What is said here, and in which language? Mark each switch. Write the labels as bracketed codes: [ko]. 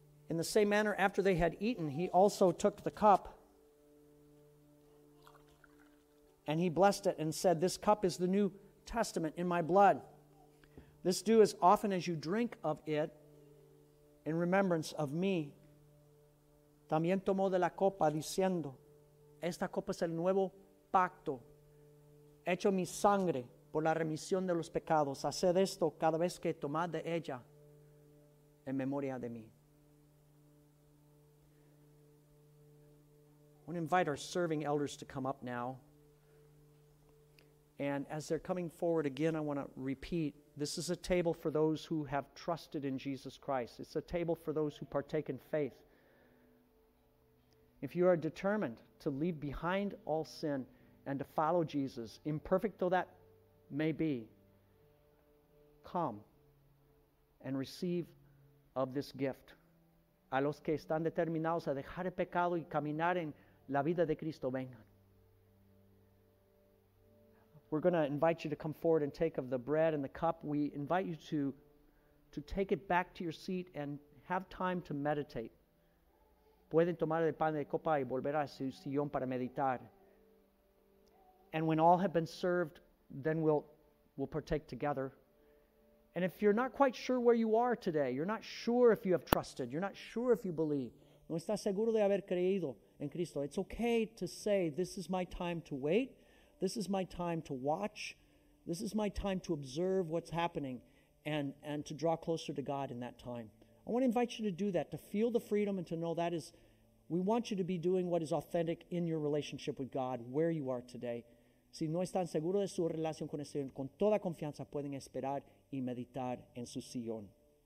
[en] In the same manner, after they had eaten, he also took the cup and he blessed it and said, "This cup is the New Testament in my blood. This do as often as you drink of it in remembrance of me." [es] También tomó de la copa diciendo, "Esta copa es el nuevo pacto hecho mi sangre por la remisión de los pecados. Haced esto cada vez que tomad de ella en memoria de mí." [en] I want to invite our serving elders to come up now. And as they're coming forward again, I want to repeat, this is a table for those who have trusted in Jesus Christ. It's a table for those who partake in faith. If you are determined to leave behind all sin and to follow Jesus, imperfect though that may be, come and receive of this gift. [es] A los que están determinados a dejar el pecado y caminar en la vida de Cristo, vengan. [en] We're going to invite you to come forward and take of the bread and the cup. We invite you to take it back to your seat and have time to meditate. [es] Pueden tomar el pan de copa y volver a su sillón para meditar. [en] And when all have been served, then we'll partake together. And if you're not quite sure where you are today, you're not sure if you have trusted, you're not sure if you believe, [es] no estás seguro de haber creído en Cristo, [en] it's okay to say, "This is my time to wait. This is my time to watch. This is my time to observe what's happening and to draw closer to God in that time." I want to invite you to do that, to feel the freedom and to know that is, we want you to be doing what is authentic in your relationship with God, where you are today. [es] Si no están seguros de su relación con el Señor, con toda confianza pueden esperar y meditar en su sillón.